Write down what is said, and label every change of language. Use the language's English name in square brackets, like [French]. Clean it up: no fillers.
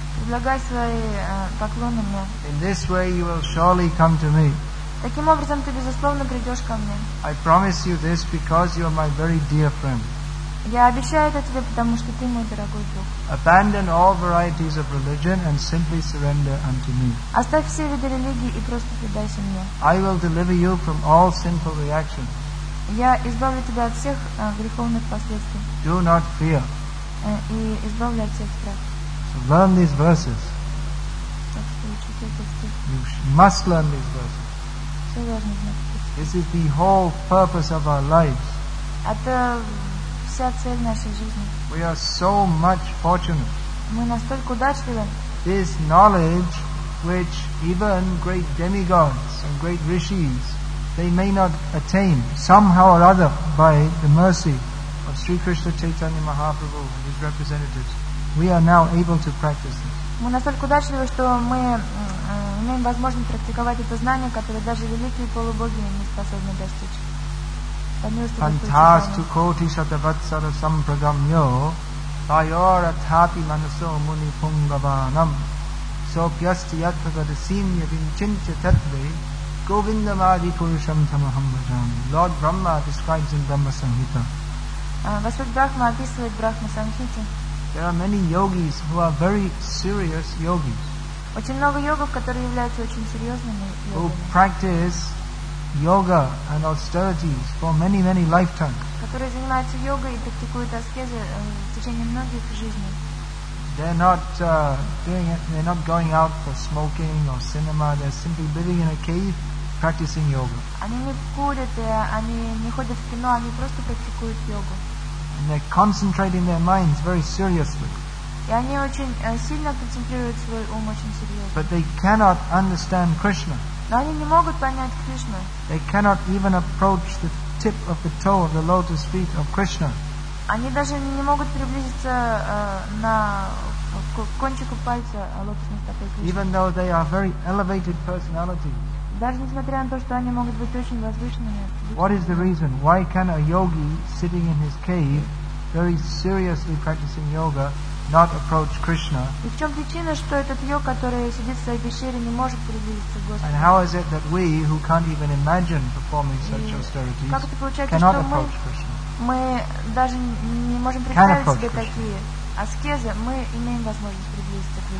[Russian] Предлагай свои поклоны мне. [English] In this way you will surely come to me. [Russian] Таким образом ты безусловно придешь ко мне. [English] I promise you this because you are my very dear friend. [Russian] Я обещаю это тебе, потому что ты мой дорогой друг. [English] Abandon all varieties of religion and simply surrender unto me. [Russian] Оставь все виды религии и просто предайся мне. [English] I will deliver you from all sinful reactions. [Russian] Я избавлю тебя от всех греховных последствий. [English] Do not fear. [Russian] И избавлю от всех страх. [English] So learn these verses. You must learn these verses. This is the whole purpose of our lives. [Russian] Это вся цель нашей жизни. [English] We are so much fortunate. [Russian] Мы настолько удачливы. [English] This knowledge, which even great demigods and great rishis, they may not attain somehow or other by the mercy of Sri Krishna Chaitanya Mahaprabhu and his representatives. We are now able to practice this. [Russian] Мы настолько удачливы, что мы имеем возможность практиковать это знание, которое даже великие полубоги не способны достичь. [Sanskrit] Fantastu koti shatavatsara sampragamyo tayoratapi manaso muni pungavanam sokyasti yatpagadasimya vinchincha tatve govindamadi purusham tamaham bhajami. [English] Lord Brahma describes in Brahma Samhita. [Russian] Господь Брахма описывает Брахма Самхите. [English] There are many yogis who are very serious yogis. [Russian] Очень много йогов, которые являются очень серьезными йогами. [English] Who practice yoga and austerities for many, many lifetimes. [Russian] Которые занимаются йогой и практикуют аскезы в течение многих жизней. [English] They're not doing it. They're not going out for smoking or cinema. They're simply living in a cave, practicing yoga. [Russian] Они не курят, они не ходят в кино, они просто практикуют йогу. [English] And they're concentrating their minds very seriously. [Russian] И они очень сильно концентрируют свой ум очень серьезно. [English] But they cannot understand Krishna. [Russian] Но они не могут понять Кришну. [English] They cannot even approach the tip of the toe of the lotus feet of Krishna. [Russian] Они даже не могут приблизиться на кончику пальца лотосной стопы Кришны. [English] Even though they are very elevated personalities. [Russian] Даже несмотря на то, что они могут быть очень возвышенными. [English] What is the reason? Why can a yogi sitting in his cave, very seriously practicing yoga, not approach Krishna? [Russian] И в чем причина, что этот йог, который сидит в своей пещере, не может приблизиться к Господу? [English] And how is it that we, who can't even imagine performing such austerities, [Russian] как это получается, [English] cannot approach Krishna? [Russian] Мы даже не можем представить себе такие аскезы, мы имеем возможность приблизиться к Кришне.